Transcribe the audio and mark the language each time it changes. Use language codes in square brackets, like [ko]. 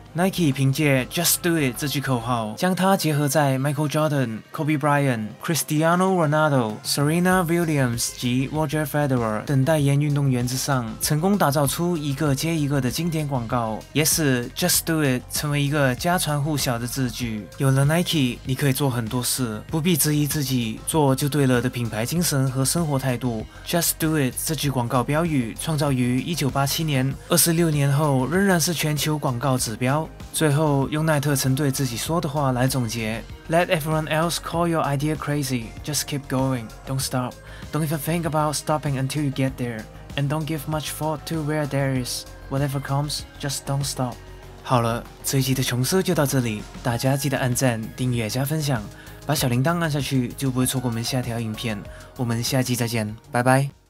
[zh] Nike 凭借 Just Do It 这句口号，将它结合在 Michael Jordan、Kobe Bryant、Cristiano Ronaldo、Serena Williams 及 Roger Federer 等代言运动员之上，成功打造出一个接一个的经典广告，也使 Just Do It 成为一个家传户晓的字句。有了 Nike， 你可以做很多事，不必质疑自己，做就对了的品牌精神和生活态度。 Just Do It 这句广告标语创造于1987年，26年后仍然是全球广告指标。高。最后用奈特曾对自己说的话来总结 [en] Let everyone else call your idea crazy, just keep going, don't stop, don't even think about stopping until you get there, and don't give much thought to where there is, whatever comes, just don't stop。 [zh] 好了，这一集的琼斯就到这里，大家记得按赞、订阅加分享，把小铃铛按下去就不会错过我们下条影片，我们下期再见，拜拜。